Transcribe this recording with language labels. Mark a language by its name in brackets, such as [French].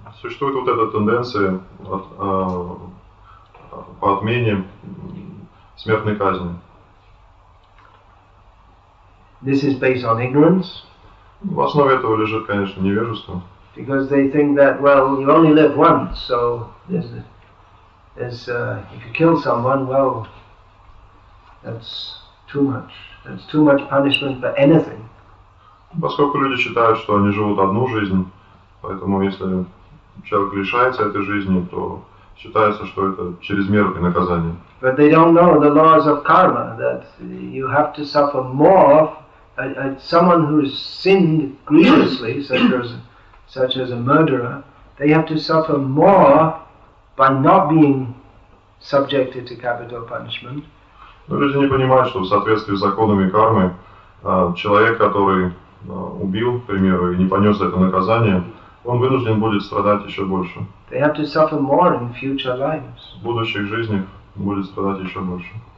[Russian] Существует вот эта тенденция по отмене смертной казни. [English] This is based on ignorance. [Russian] В основе этого лежит, конечно, невежество. [English] Because they think that, well, you only live once, so if you kill someone, well, that's too much. That's too much punishment for anything. [Russian] Поскольку люди считают, что они живут одну жизнь, поэтому если человек лишается этой жизни, то считается, что это чрезмерное наказание. [English] But they don't know the laws of karma, that you have to suffer more at someone who has sinned grievously, such as a murderer, they have to suffer more by not being subjected to capital punishment. [Russian] Но люди не понимают, что в соответствии с законами кармы, человек, который убил, к примеру, и не понес это наказание, он вынужден будет страдать еще больше. [English] They have to suffer more in future lives. [Russian] В будущих жизнях будет страдать еще больше.